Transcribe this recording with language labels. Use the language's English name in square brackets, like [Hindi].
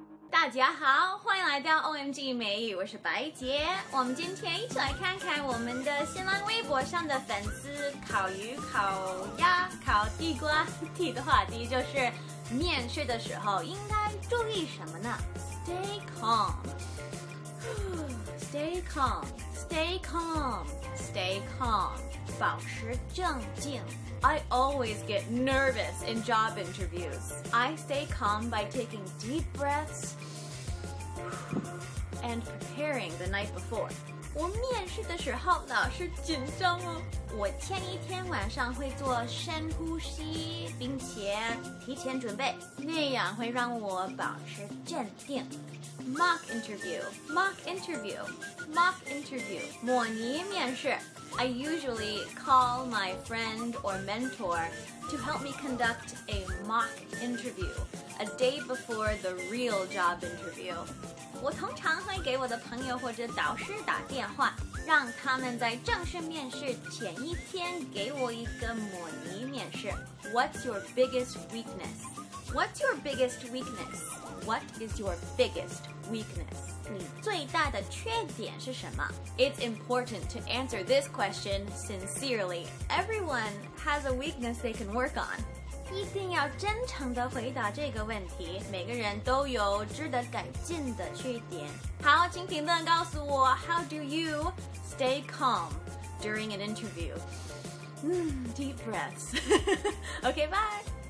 [Chinese] 大家好，欢迎来到 OMG 美语，我是白杰。我们今天一起来看看我们的新浪微博上的粉丝烤鱼、烤鸭、烤地瓜提的话题，就是面试的时候应该注意什么呢？ [English] Stay calm, stay calm, stay calm, stay calm, [Chinese] 保持正静。 [English] I always get nervous in job interviews. I stay calm by taking deep breaths and preparing the night before. [Chinese] 我面试的时候老是紧张哦。我前一天晚上会做深呼吸，并且提前准备，那样会让我保持镇定。 [English] Mock interview, mock interview, mock interview, [Chinese] 模拟面试。 [English] I usually call my friend or mentor to help me conduct a mock interview, a day before the real job interview. [Chinese] 我通常会给我的朋友或者导师打电话，让他们在正式面试前一天给我一个模拟面试。 [English] What's your biggest weakness? What's your biggest weakness? What is your biggest weakness? [Chinese] 你最大的缺点是什么？ [English] It's important to answer this question sincerely. Everyone has a weakness they can work on. [Chinese] 一定要真诚地回答这个问题，每个人都有值得改进的缺点。好，请评论告诉我， [English] How do you stay calm during an interview? Deep breaths. Okay, bye!